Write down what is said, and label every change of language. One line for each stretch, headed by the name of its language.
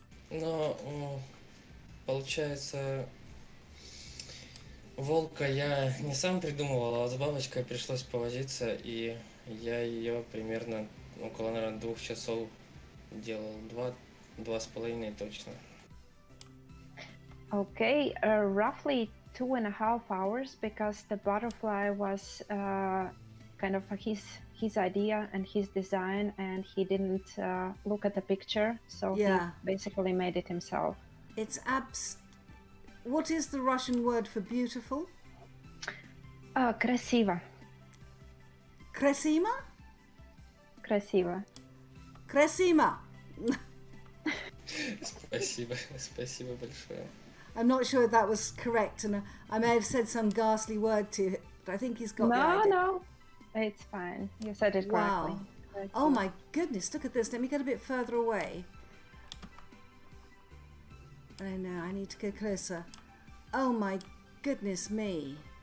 Russian: Но, получается, волка я не сам придумывал, а с бабочкой пришлось повозиться, и я ее примерно около, наверное, 2 часов делал. Два с половиной точно.
English: Okay, roughly 2.5 hours because the butterfly was kind of his idea and his design, and he didn't look at the picture, so he Yeah. basically made it himself. It's abs. What is the Russian word for beautiful?
Russian: Красиво. Красима? Красиво. Красима! Спасибо, спасибо большое.
English: I'm not sure if that was correct, and I may have said some ghastly word to him, but I think he's got the idea. No, it's fine. You said it correctly. Wow. Oh my goodness, look at this. Let me get a bit further away. I know, I need to go closer. Oh my goodness me.